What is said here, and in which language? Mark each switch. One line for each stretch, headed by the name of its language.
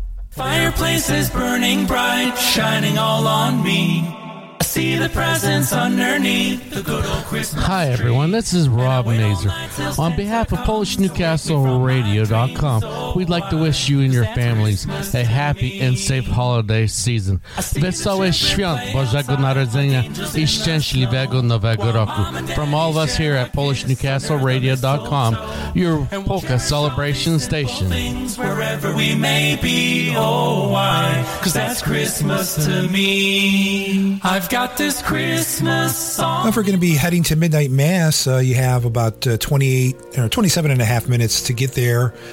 English: Fireplace is burning bright, shining all on me. I see the presents underneath the good old Christmas tree. Hi everyone, this is Rob Mazur. On behalf of PolishNewcastleRadio.com, we'd like to wish you and your families a happy and safe holiday season.
Polish: Wesołe Świąt Bożego Narodzenia I Szczęśliwego Nowego Roku.
English: From all of us here at PolishNewcastleRadio.com, your polka celebration station. Wherever we may be, oh why, cause that's Christmas to me. I've got this Christmas song. If we're going to be heading to Midnight Mass, you have about 27 and a half minutes to get there.